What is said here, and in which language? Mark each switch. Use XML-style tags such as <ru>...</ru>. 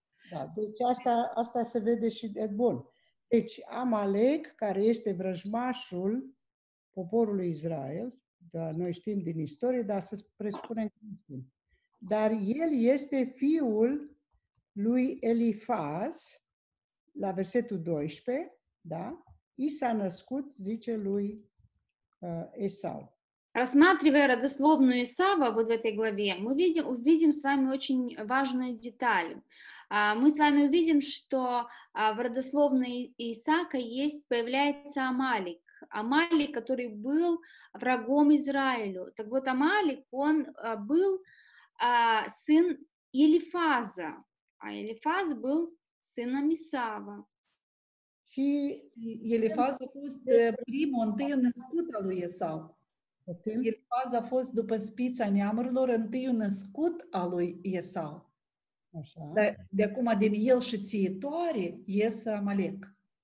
<ro>Da, deci asta se vede și de bun. Deci Amalek, care este vrăjmașul poporului Israel, da, noi știm din istorie, dar să presupunem cum știm. Dar el este fiul lui Elifaz, la versetul 12, da, i s-a născut, zice lui Esau.</ro> <ru>Рассматривая родословную Исава вот в этой главе, мы увидим с вами очень важную деталь. Мы с вами увидим, что в родословной Исаака появляется Амалек. Амалек, который был врагом Израилю. Так вот, Амалек, он был сын Елифаза. А Елифаз был сыном Исава.</ru> <ro>Și Елифаз a fost primul, întâi născut al lui Esau. Елифаз a fost, după spița neamurilor, întâi născut al lui Esau. Așa. Dar de acum, din el și țietoare, iese Amalek.</ro>